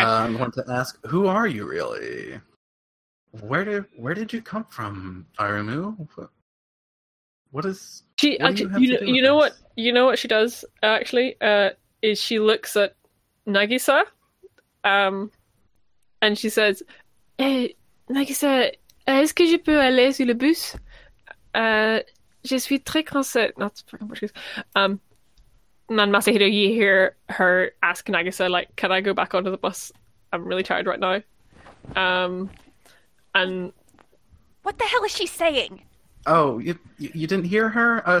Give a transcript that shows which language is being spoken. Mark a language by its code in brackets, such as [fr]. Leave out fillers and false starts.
[en] I want to ask, who are you really? Where did you come from, Arimu? What is she? You know what she does actually. Is she looks at Nagisa, and she says, [fr] "Nagisa, est-ce que je peux aller sur le bus? Je suis très cansée." [en] Not fucking Portuguese. And Masahiro, you hear her ask Nagisa, like, "Can I go back onto the bus? I'm really tired right now." And what the hell is she saying? Oh, you didn't hear her?